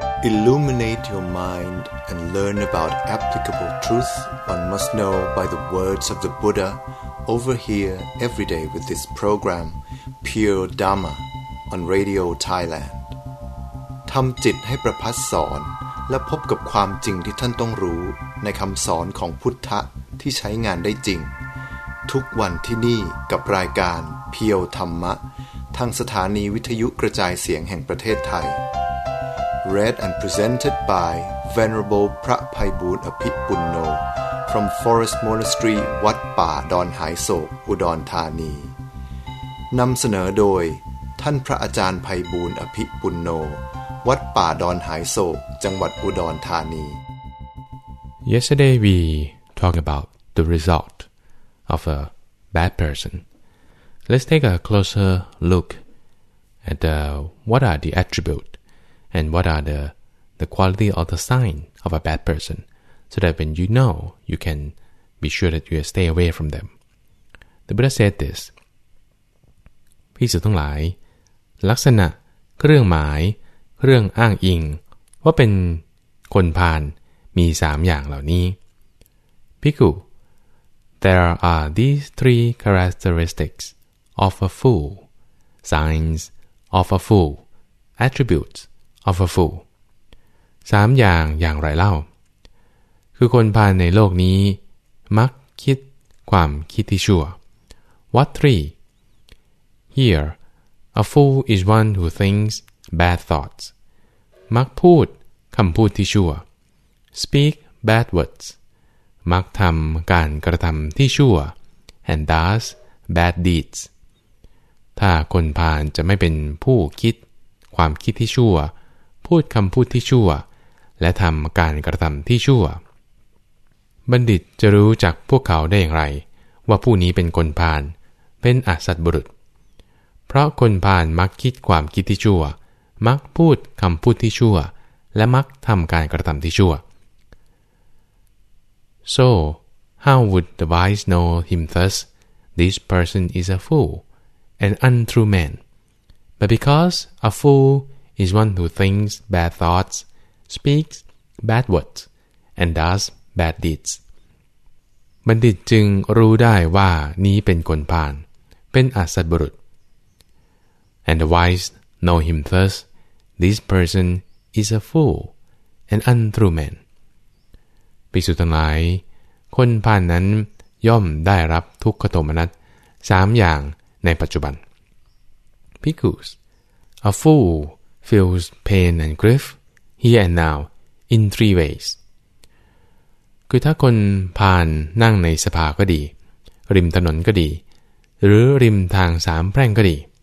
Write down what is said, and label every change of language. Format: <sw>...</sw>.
<en>Illuminate your mind and learn about applicable truth one must know by the words of the Buddha over here every day with this program, Pure Dharma, on Radio Thailand.</en> <th>ทำจิตให้ประพัสสอนและพบกับความจริงที่ท่านต้องรู้ในคำสอนของพุทธะที่ใช้งานได้จริงทุกวันที่นี่กับรายการเพียวธรรมะทางสถานีวิทยุกระจายเสียงแห่งประเทศไทย</th> <en>Read and presented by Venerable พระไพบูลย์อภิปุณโญ from Forest Monastery</en> <th>วัดป่าดอนหายโศกอุดรธานีนำเสนอโดยท่านพระอาจารย์ไพบูลย์อภิปุณโญวัดป่าดอนหายโศกจังหวัดอุดรธานี</th> <en>Yesterday we talked about the resultOf a bad person. Let's take a closer look at what are the attributes and what are the quality or the sign of a bad person, so that when you know, you can be sure that you stay away from them. The Buddha said this.</en> <th>ภิกษุทั้งหลาย ลักษณะ เครื่องหมาย เครื่องอ้างอิง ว่าเป็นคนพาล มี 3 อย่างเหล่านี้ ภิกษุ</th> <en>There are these three characteristics of a fool, signs of a fool, attributes of a fool.</en> <th>3 อย่างอย่างไรเล่าคือคนพาลในโลกนี้มักคิดความคิดที่ชั่ว</th> <en>What three? Here, a fool is one who thinks bad thoughts.</en> <th>มักพูดคำพูดที่ชั่ว</th> <en>Speak bad words.</en> <th>มักทำการกระทำที่ชั่ว</th> <en>and does bad deeds</en> <th>ถ้าคนพาลจะไม่เป็นผู้คิดความคิดที่ชั่วพูดคำพูดที่ชั่วและทำการกระทำที่ชั่ว บัณฑิตจะรู้จากพวกเขาได้อย่างไรว่าผู้นี้เป็นคนพาลเป็นอสัตบุรุษเพราะคนพาลมักคิดความคิดที่ชั่วมักพูดคำพูดที่ชั่วและมักทำการกระทำที่ชั่ว</th> <en>So, how would the wise know him thus? This person is a fool, an untrue man. But because a fool is one who thinks bad thoughts, speaks bad words, and does bad deeds.</en> <th>บัณฑิตจึงรู้ได้ว่านี้เป็นคนพาลเป็นอสัตบุรุษ</th> <en>And the wise know him thus. This person is a fool, an untrue man.</en> <th>ภิกษุทั้งหลายคนพาลนั้นย่อมได้รับทุกขโทมนัส3อย่างในปัจจุบัน</th> <en>Bhikkhus A fool feels pain and grief here and now in three ways</en> <th>คือถ้าคนพาลนั่งในสภาก็ดีริมถนนก็ดีหรือริมทางสามแพร่งก็ดี</th>